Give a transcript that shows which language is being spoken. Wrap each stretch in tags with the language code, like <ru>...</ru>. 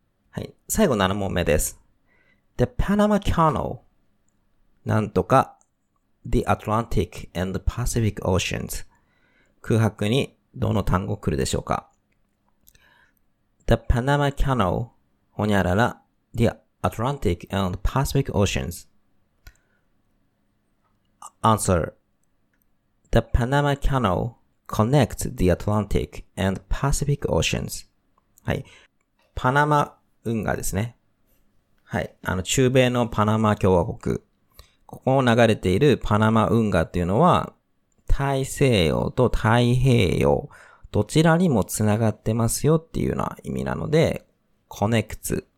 <ja>はい。最後7問目です。</ja> <en>The Panama Canal</en> <ja>なんとか</ja> <en>The Atlantic and the Pacific Oceans</en> <ja>空白にどの単語来るでしょうか</ja> <en>?The Panama Canal</en> <ja>ほにゃらら</ja> <en>The Atlantic and the Pacific Oceans Answer The Panama Canal connects the Atlantic and Pacific Oceans</en> <ja>はい。パナマ運河ですね。はい。あの、中米のパナマ共和国。ここを流れているパナマ運河っていうのは、大西洋と太平洋、どちらにもつながってますよっていうような意味なので、コネクツ。</ja>